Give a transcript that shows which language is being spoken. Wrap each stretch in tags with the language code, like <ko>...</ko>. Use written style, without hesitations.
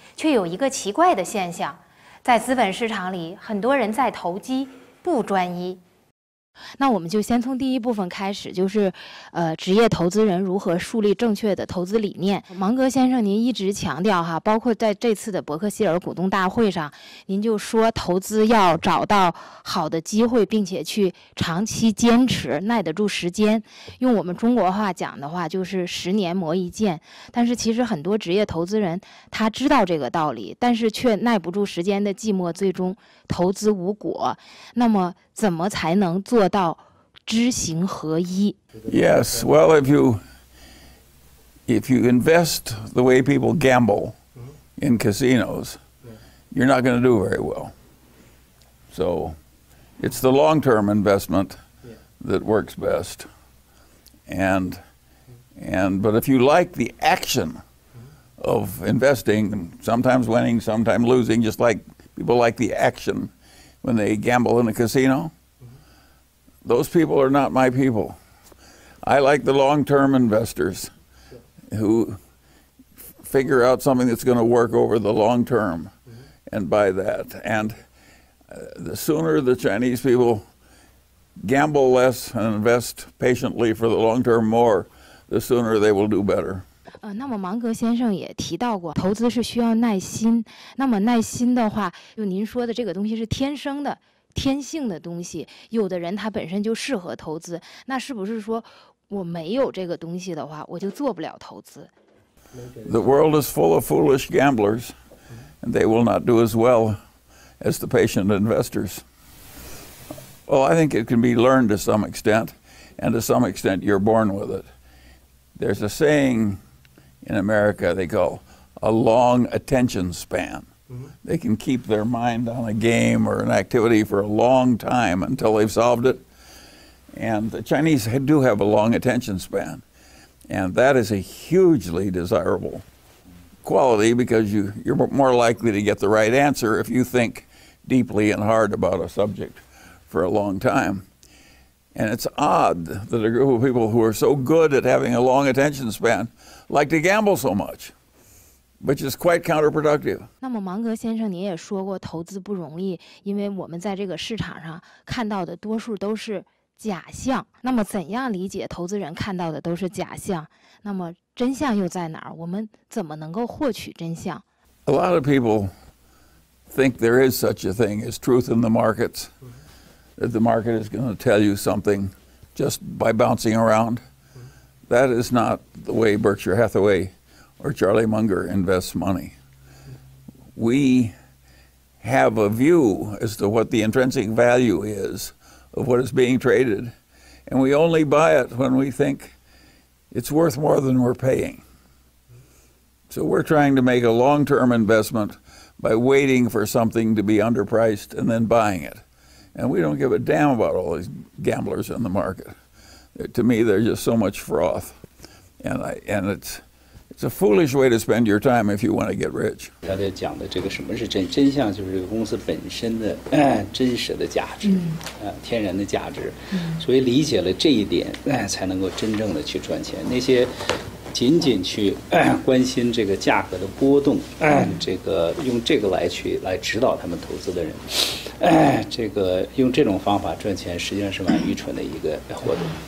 <zh>芒格先生一直强调，投资要耐得住时间，要找到好的标的，并且要长期坚持。在中国的文化里，也一直强调做事专一，直到完成。可在这样的文化里，却有一个奇怪的现象。在资本市场里，很多人在投机不专一。那我们就先从第一部分开始，就是职业投资人如何树立正确的投资理念。芒格先生，您一直强调哈，包括在这次的伯克希尔股东大会上，您就说投资要找到好的机会，并且去长期坚持，耐得住时间。用我们中国话讲的话，就是十年磨一剑。但是其实很多职业投资人他知道这个道理，但是却耐不住时间。的寂寞最终投资无果，那么怎么才能做到知行合一？</zh> <en>Yes, well, if you invest the way people gamble in casinos, you're not going to do very well. So, it's the long-term investment that works best, and But if you like the action of investing, sometimes winning, sometimes losing, just like people like the action when they gamble in a casino, those people are not my people. I like the long-term investors who figure out something that's going to work over the long term and buy that. And the sooner the Chinese people gamble less and invest patiently for the long term more, the sooner they will do better.</en> <zh>那么芒格先生也提到过，投资是需要耐心。那么耐心的话，就您说的这个东西是天生的、天性的东西。有的人他本身就适合投资，那是不是说我没有这个东西的话，我就做不了投资</zh> <en>？The world is full of foolish gamblers, and they will not do as well as the patient investors. Well, I think it can be learned to some extent, and to some extent you're born with it. There's a saying. In America, they call a long attention span. They can keep their mind on a game or an activity for a long time until they've solved it. And the Chinese do have a long attention span. And that is a hugely desirable quality because you're more likely to get the right answer if you think deeply and hard about a subject for a long time. And it's odd that a group of people who are so good at having a long attention span. Like to gamble so much, which is quite counterproductive.</en> <zh>那么芒格先生，您也说过投资不容易，因为我们在这个市场上看到的多数都是假象。那么怎样理解投资人看到的都是假象？那么真相又在哪儿？我们怎么能够获取真相</zh> <en>？A lot of people think there is such a thing as truth in the markets. That the market is going to tell you something just by bouncing around. That is not the way Berkshire Hathaway or Charlie Munger invests money. We have a view as to what the intrinsic value is of what is being traded, and we only buy it when we think it's worth more than we're paying. So we're trying to make a long-term investment by waiting for something to be underpriced and then buying it. And we don't give a damn about all these gamblers in the market. To me, they're just so much froth, and it's a foolish way to spend your time if you want to get rich.</en> <zh>他在讲的这个什么是真相，就是这个公司本身的真实的价值，天然的价值。所以理解了这一点，才能够真正的去赚钱。那些仅仅去关心这个价格的波动，这个用这个来指导他们投资的人，这个用这种方法赚钱，实际上是蛮愚蠢的一个活动。</zh>